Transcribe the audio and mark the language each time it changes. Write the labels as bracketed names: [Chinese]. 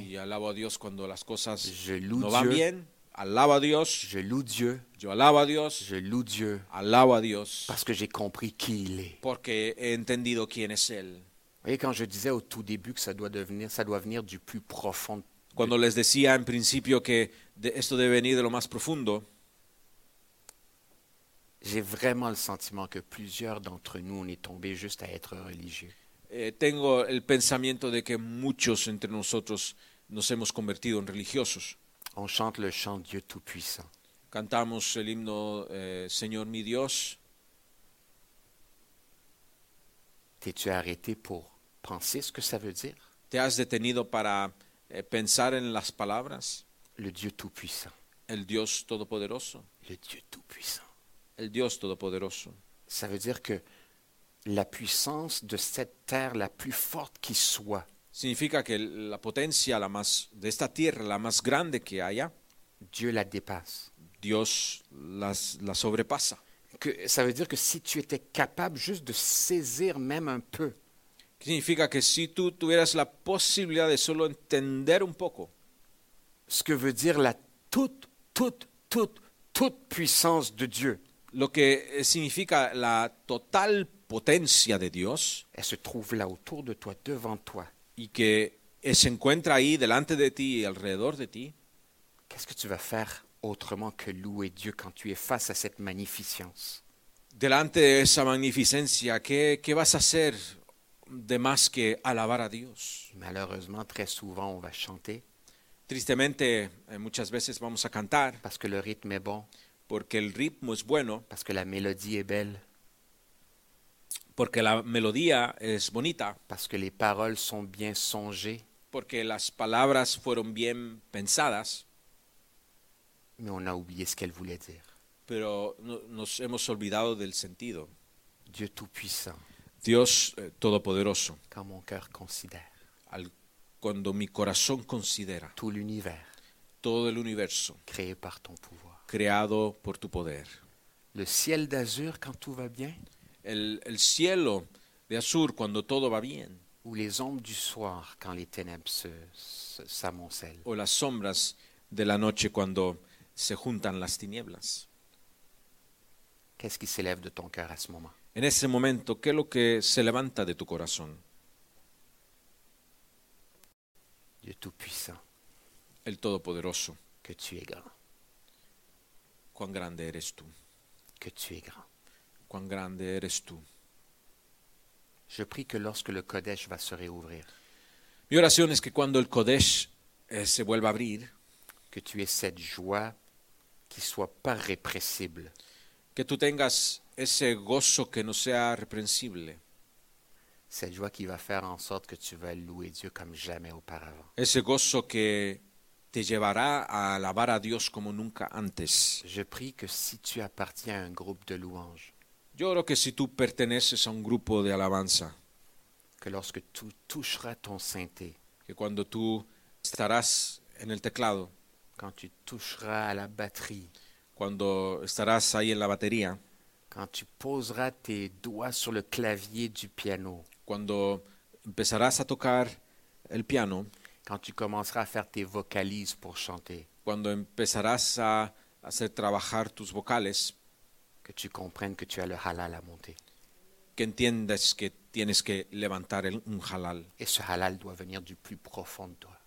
[Spanish] Yo alabo a Dios cuando las cosas [French] je loue [Spanish] no [French] Dieu. [Spanish] Van bien. Alabo a Dios. [French] Je loue Dieu. [Spanish] Yo alabo a Dios. [French] Je loue Dieu. [Spanish] Alabo a Dios. [French] Parce que j'ai compris qui il est. [Spanish] Porque he entendido quién es él. [French] Vous voyez, quand je disais au tout début que ça doit venir du plus profond. [Spanish] Cuando les decía en principio que esto debe venir de lo más profundo. [French] J'ai vraiment le sentiment que plusieurs d'entre nous on est tombés juste à être religieux. [Spanish] Tengo el pensamiento de que muchos entre nosotros nos hemos convertido en religiosos. [French] On chante le chant Dieu Tout-Puissant. [Spanish] Cantamos el himno Señor mi Dios. [French] T'es-tu arrêté pour penser ce que ça veut dire? [Spanish] ¿Te has detenido para pensar en las palabras? [French] Le Dieu Tout-Puissant. [Spanish] El Dios Todopoderoso. [French] Le Dieu Tout-Puissant. [Spanish] El Dios Todopoderoso. [French] Ça veut dire que la puissance de cette terre la plus forte qui soit. [Spanish] Significa que la potencia la más de esta tierra la más grande que haya. [French] Dieu la dépasse. [Spanish] Dios la sobrepasa. [French] Que ça veut dire que si tu étais capable juste de saisir même un peu. [Spanish] Significa que si tú tuvieras la posibilidad de solo entender un poco. [French] Ce que veut dire la toute puissance de Dieu. [Spanish] Lo que significa la total potencia de Dios. [French] Elle se trouve là autour de toi, devant toi. [Spanish] Y que se encuentra ahí delante de ti y alrededor de ti. [French] Qu'est-ce que tu vas faire autrement que louer Dieu quand tu es face à cette magnificence? [Spanish] Delante de esa magnificencia, ¿qué vas a hacer de más que alabar a Dios? [French] Malheureusement, très souvent, on va chanter. [Spanish] Tristemente, muchas veces vamos a cantar. [French] Parce que le rythme est bon. [Spanish] Porque el ritmo es bueno. [French] Parce que la mélodie est belle. [Spanish] Porque la melodía es bonita. [French] Parce que les paroles sont bien songées. [Spanish] Porque las palabras fueron bien pensadas. [French] Mais on a oublié ce qu'elle voulait dire. [Spanish] Pero nos hemos olvidado del sentido. [French] Dieu Tout-Puissant. [Spanish] Dios Todopoderoso. [French] Quand mon cœur considère. [Spanish] Cuando mi corazón considera. [French] Tout l'univers. [Spanish] Todo el universo. [French] Créé par ton pouvoir. [Spanish] Creado por tu poder. [French] Le ciel d'azur quand tout va bien. [Spanish] El cielo de azur cuando todo va bien. [French] Ou les ombres du soir quand les ténèbres se s'amoncellent. [Spanish] O las sombras de la noche cuando se juntan las tinieblas. [French] Qu'est-ce qui s'élève de ton cœur à ce moment? [Spanish] En ese momento, ¿qué es lo que se levanta de tu corazón? [French] Dieu Tout-Puissant. [Spanish] El Todopoderoso. [French] Que tu es grand. [Spanish] Cuán grande eres tú. [French] Que tu es grand. [Spanish] Cuán grande eres tú. [French] Je prie que lorsque le Kodesh va se réouvrir. [Spanish] Mi oración es que cuando el Kodesh se vuelva a abrir, [French] que tu aies cette joie qui soit pas répressible. [Spanish] Que tú tengas ese gozo que no sea reprensible. [French] Cette joie qui va faire en sorte que tu vas louer Dieu comme jamais auparavant. [Spanish] Ese gozo que te llevará a alabar a Dios como nunca antes. [French] Je prie que si tu appartiens à un groupe de louange. [Spanish] Yo oro que si tú perteneces a un grupo de alabanza. [French] Que lorsque tu toucheras ton synthé. [Spanish] Que cuando tú estarás en el teclado. [French] Quand tu toucheras à la batterie. [Spanish] Cuando estarás ahí en la batería. [French] Quand tu poseras tes doigts sur le clavier du piano. [Spanish] Cuando empezarás a tocar el piano. [French] Quand tu commenceras à faire tes vocalises pour chanter. [Spanish] Cuando empezarás a hacer trabajar tus vocales. [French] Que tu comprennes que tu as le halal à monter. [Spanish] Que entiendas que tienes que levantar un halal. [French] Et ce halal doit venir du plus profond de toi.